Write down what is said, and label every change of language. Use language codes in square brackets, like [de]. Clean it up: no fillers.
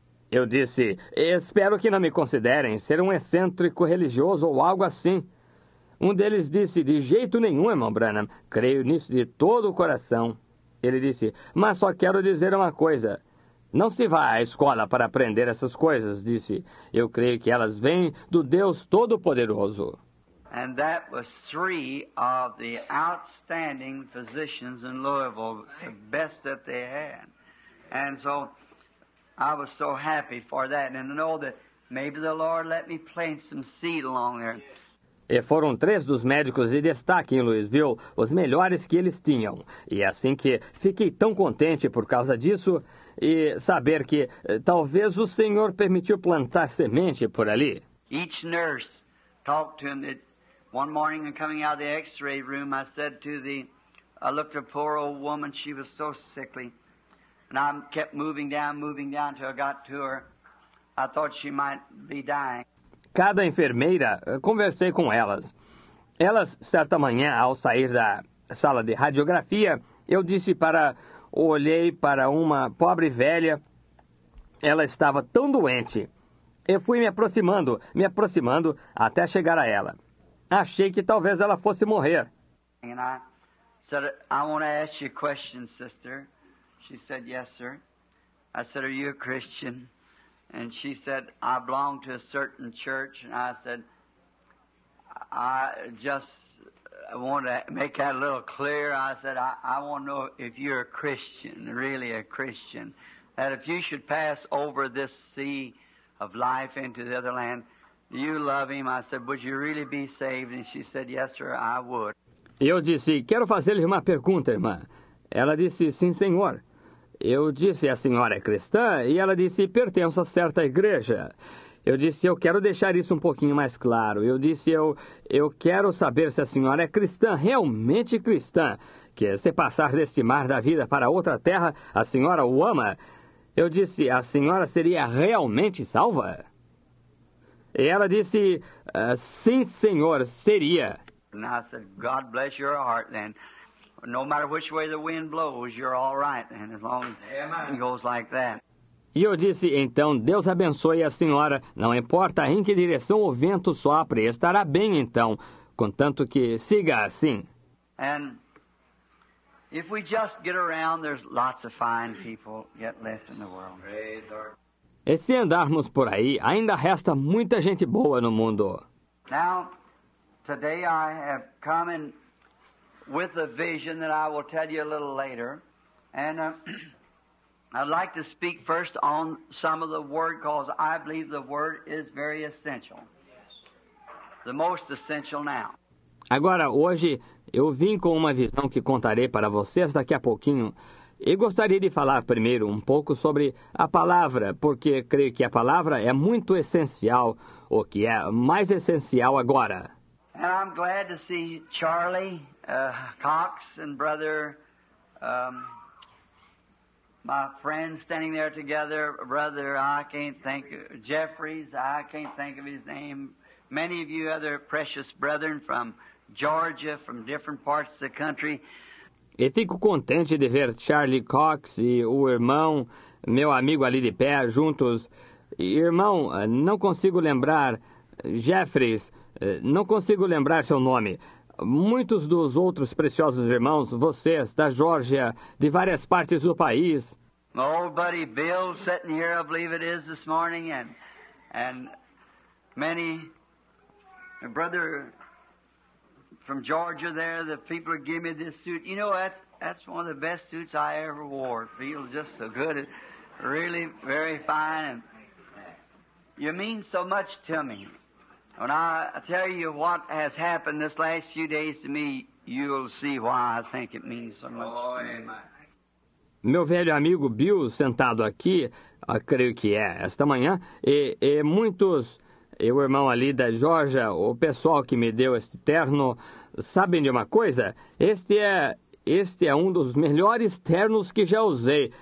[pt] Eu disse, espero que não me considerem ser um excêntrico religioso ou algo assim. Um deles disse, de jeito nenhum, irmão Branham, creio nisso de todo o coração. Ele disse, mas só quero dizer uma coisa. Não se vá à escola para aprender essas coisas, disse. Eu creio que elas vêm do Deus Todo-Poderoso. [en] And that was three of the outstanding physicians in Louisville, the best that they had. And so I was so happy for that. And I know that maybe the Lord let me plant some seed along there. [pt] E foram três dos médicos de destaque em Louisville, os melhores que eles tinham. E assim que fiquei tão contente por causa disso, e saber que talvez o Senhor permitiu plantar semente por ali. [en] Each nurse talked to him. One morning, coming out of the x-ray room, I said to the, I looked at a poor old woman, she was so sickly. And I kept moving down until I got to her. I thought she might be dying. [pt] Cada enfermeira, conversei com elas. Elas, certa manhã, ao sair da sala de radiografia, eu disse para, olhei para uma pobre velha, ela estava tão doente. Eu fui me aproximando, até chegar a ela. Achei que talvez ela fosse morrer. E eu disse, [en] I want to ask you a question, sister. She said, yes, sir. I said, are you a Christian? And she said, I belong to a certain church. And I said, I just want to make that a little clear. I said, I want to know if you're a Christian, really a Christian. That if you should pass over this sea of life into the other land, do you love him? I said, would you really be saved? And she said, yes, sir, I would. [pt] E eu disse, quero fazer-lhe uma pergunta, irmã. Ela disse, sim, senhor. Eu disse, a senhora é cristã? E ela disse, pertenço a certa igreja. Eu disse, eu quero deixar isso um pouquinho mais claro. Eu disse, eu quero saber se a senhora é cristã, realmente cristã. Que se passar deste mar da vida para outra terra, a senhora o ama? Eu disse, a senhora seria realmente salva? E ela disse, sim, senhor, seria. [en] And I said, God bless your heart then. No matter which way the wind blows, you're all right, and as long as it goes like that. [pt] E eu disse, então, Deus abençoe a senhora. Não importa em que direção o vento sopre, estará bem então, contanto que siga assim. [en] And if we just get around, there's lots of fine people yet left in the world. [pt] E se andarmos por aí, ainda resta muita gente boa no mundo. [en] Now, today I have come and with a vision that I will tell you a little later. And I'd like to speak first on some of the Word, because I believe the Word is very essential. The most essential now. [pt] Agora, hoje, eu vim com uma visão que contarei para vocês daqui a pouquinho. E gostaria de falar primeiro um pouco sobre a Palavra, porque creio que a Palavra é muito essencial, o que é mais essencial agora. [en] And I'm glad to see Charlie Cox and brother, my friend standing there together, brother, I can't think of, Jeffries, I can't think of his name. Many of you other precious brethren from Georgia, from different parts of the country. [pt] E fico contente de ver Charlie Cox e o irmão, meu amigo ali de pé, juntos. E, irmão, não consigo lembrar, Jeffries, não consigo lembrar seu nome. Muitos dos outros preciosos irmãos, vocês, da Geórgia, de várias partes do país. [en] My old buddy Bill, sitting here, I believe it is, this morning, and many, a brother from Georgia there, the people give me this suit. You know, that's one of the best suits I ever wore. Feels just so good. Really very fine. And you mean so much to me. When I tell you what has happened this last few days to me, you'll see why I think it means so much to me. [pt] Meu velho amigo Bill, sentado aqui, creio que é esta manhã, e muitos, e o irmão ali da Georgia, o pessoal que me deu este terno, sabem de uma coisa? Este é um dos melhores ternos que já usei.